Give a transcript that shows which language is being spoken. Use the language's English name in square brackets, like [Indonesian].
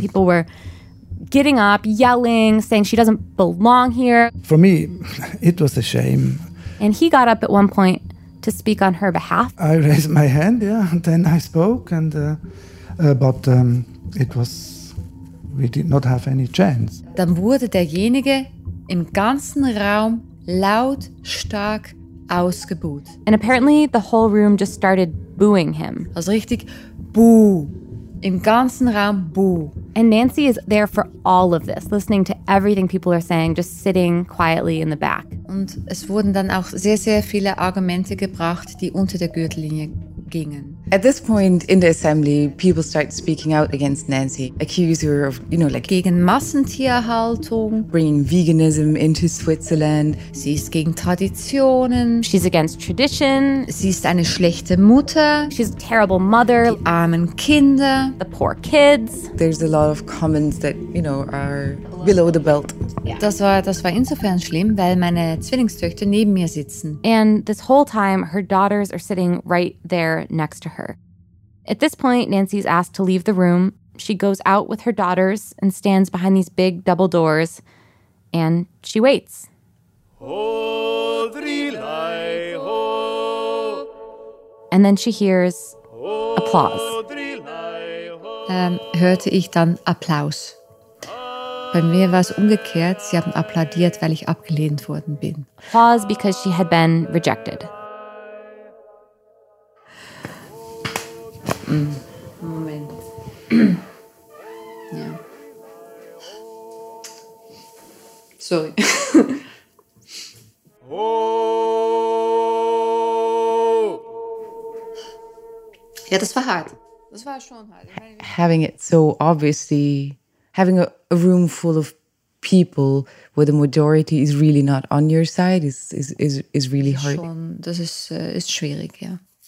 [English] People were getting up, yelling, saying she doesn't belong here. For me, it was a shame. And he got up at one point to speak on her behalf. I raised my hand, yeah, and then I spoke, and but it was, we did not have any chance. [German] Dann wurde derjenige im ganzen Raum laut, stark ausgebuht. [English] And apparently the whole room just started booing him. [German] Also richtig, boo. Im ganzen Raum, boo. [English] And Nancy is there for all of this, listening to everything people are saying, just sitting quietly in the back. [German] Und es wurden dann auch sehr, sehr viele Argumente gebracht, die unter der Gürtellinie gingen. [English] At this point in the assembly, people start speaking out against Nancy, accuse her of, you know, like... [German] Gegen Massentierhaltung. [English] Bringing veganism into Switzerland. [German] Sie ist gegen Traditionen. [English] She's against tradition. [German] Sie ist eine schlechte Mutter. [English] She's a terrible mother. [German] Die armen Kinder. [English] The poor kids. There's a lot of comments that, you know, are below the belt. Yeah. [German] Das war insofern schlimm, weil meine Zwillingstöchter neben mir sitzen. [English] And this whole time, her daughters are sitting right there next to her. At this point, Nancy's asked to leave the room. She goes out with her daughters and stands behind these big double doors, and she waits. And then she hears applause. [German] Hörte ich dann Applaus. Bei mir war es umgekehrt. Sie haben applaudiert, weil ich abgelehnt worden bin. [English] Applause because she had been rejected. [German] Moment. Ja. [English] Sorry. [German] Ja, das war hart. Das war schon hart. [English] Having it so obviously... Having a room full of people where the majority is really not on your side is really hard. [German] Schon, das ist, ist schwierig, ja.